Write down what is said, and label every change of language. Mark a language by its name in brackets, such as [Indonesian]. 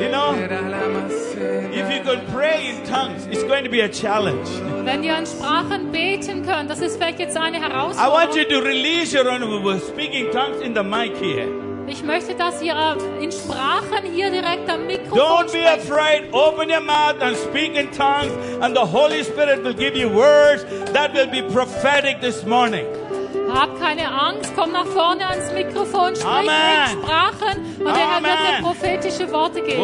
[English] You know, if you could pray in tongues, it's going to be a challenge. [German] Wenn ihr in Sprachen beten könnt, das ist vielleicht jetzt eine Herausforderung. [English] I want you to release your own speaking tongues in the mic here. [German] Ich möchte, dass ihr in Sprachen hier direkt am Mikrofon [English] Don't be afraid. Open your mouth and speak in tongues, and the Holy Spirit will give you words that will be prophetic this morning. [German] Hab keine Angst, komm nach vorne ans Mikrofon, sprich [English] Amen. [German] In Sprachen und der Herr wird dir prophetische Worte geben.